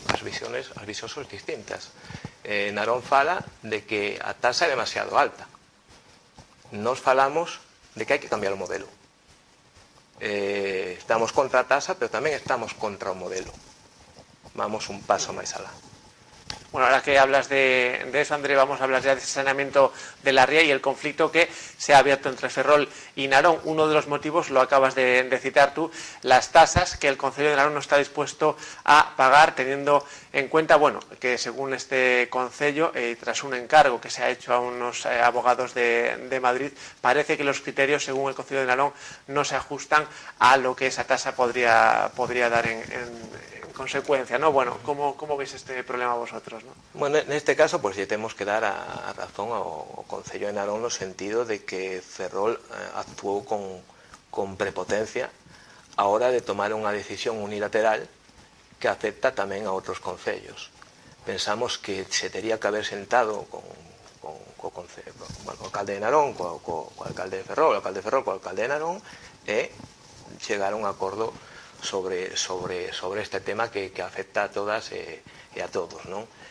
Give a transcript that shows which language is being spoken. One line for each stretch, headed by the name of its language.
Galician: as visións son distintas. Narón fala de que a taxa é demasiado alta. Nos falamos de que hai que cambiar o modelo. Estamos contra a taxa, pero tamén estamos contra o modelo. Vamos un paso máis alá.
Spanish: Bueno, ahora que hablas de eso, André, vamos a hablar ya de ese saneamiento de la ría y el conflicto que se ha abierto entre Ferrol y Narón. Uno de los motivos, lo acabas de citar tú, las tasas que el Concello de Narón no está dispuesto a pagar, teniendo en cuenta, bueno, que según este Concello, tras un encargo que se ha hecho a unos abogados de Madrid, parece que los criterios, según el Concello de Narón, no se ajustan a lo que esa tasa podría dar en consecuencia, ¿no? Bueno, ¿cómo veis este problema vosotros?
Galician: Bueno, en este caso, pues ya tenemos que dar a razón ao Concello de Narón, no sentido de que Ferrol actuó con prepotencia a hora de tomar unha decisión unilateral que afecta tamén a outros concellos. Pensamos que se tería que haber sentado con o alcalde de Narón, co alcalde de Ferrol, o alcalde de Ferrol, co alcalde de Narón, e chegar a un acordo sobre este tema que afecta a todas e a todos, ¿no?